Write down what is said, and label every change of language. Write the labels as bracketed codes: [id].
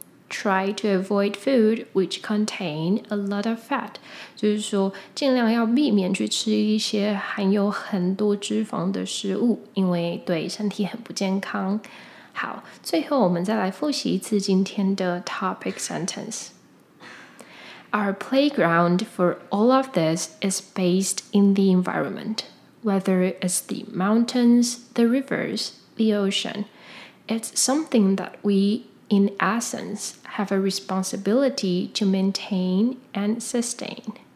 [en] Try to avoid food which contain a lot of fat. [zh] 就是说尽量要避免去吃一些含有很多脂肪的食物，因为对身体很不健康。好，最后我们再来复习一次今天的 [en] topic sentenceOur playground for all of this is based in the environment, whether it's the mountains, the rivers, the ocean. It's something that we, in essence, have a responsibility to maintain and sustain.